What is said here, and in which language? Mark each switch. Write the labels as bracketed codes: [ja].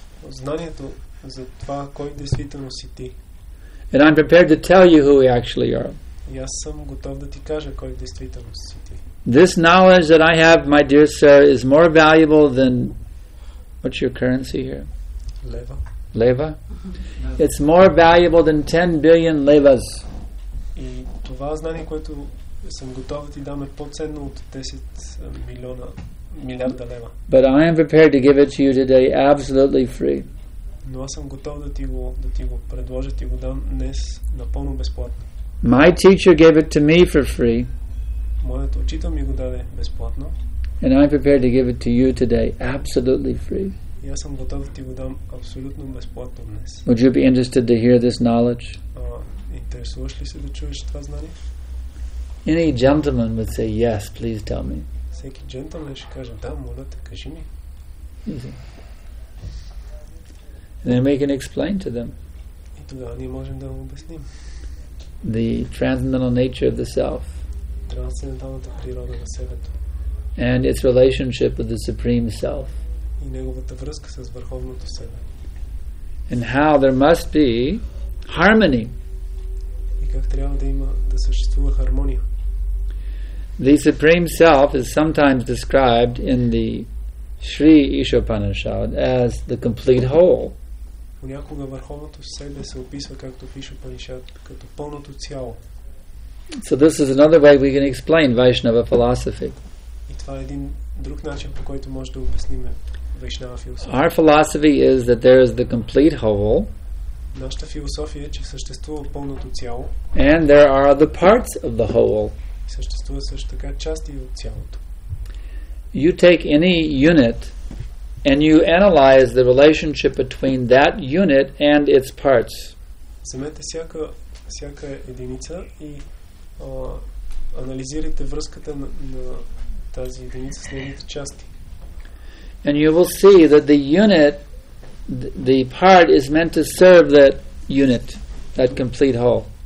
[bg] Знанието за това кой действително си ти. [en] And I'm prepared to tell you who we actually are. [bg] И аз съм готов да ти кажа кой действително си ти. [en] This knowledge that I have, my dear sir, is more valuable than, what's your currency here? [bg] Лева. [en] Лева? It's more valuable than 10 billion левас. [bg] И това знание, което съм готов да ти дам, е по-ценно от 10 милиона, милиарда лева. [en] But I am prepared to give it to you today absolutely free. [bg] Но аз съм готов да ти го предложа, ти го дам днес напълно безплатно. [en] My teacher gave it to me for free. [bg] Моят учител ми го даде безплатно. [en] And I'm prepared to give it to you today absolutely free. [bg] И аз съм готов да ти го дам абсолютно безплатно днес. [en] Would you be interested to hear this knowledge? [bg] Интересуваш ли се да чуеш това знание? [en] Any gentleman would say yes, please tell me. [bg] Всеки джентълмен ще каже да, моля те, кажи ми. [en] And then we can explain to them. [bg] И тогава ние можем да им обясним. [en] The transcendental nature of the self. [bg] Трансценденталната природа на себето. [en] And its relationship with the supreme self. [bg] И неговата връзка с върховното себе. [en] And how there must be harmony. [bg] И как трябва да има да съществува хармония. [en] The supreme self is sometimes described in the Sri Ishopanishad as the complete whole. [bg] Понякога върховното себе се описва както в Ишопанишад като пълното цяло. [en] So this is another way we can explain Vaishnava philosophy. [bg] И това е един друг начин, по който може да обясним Вайшнава философия. [en] Our philosophy is that there is the complete whole. [bg] Нашата философия е, че съществува пълното цяло. [en] And there are the parts of the whole. [bg] Съществува също така части от цялото. [en] You take any unit and you analyze the relationship between that unit and its parts. [bg] Вземете всяка единица и анализирайте връзката на тази единица с нейните части. [en] And you will see that the unit, the part is meant to serve that unit, that complete whole.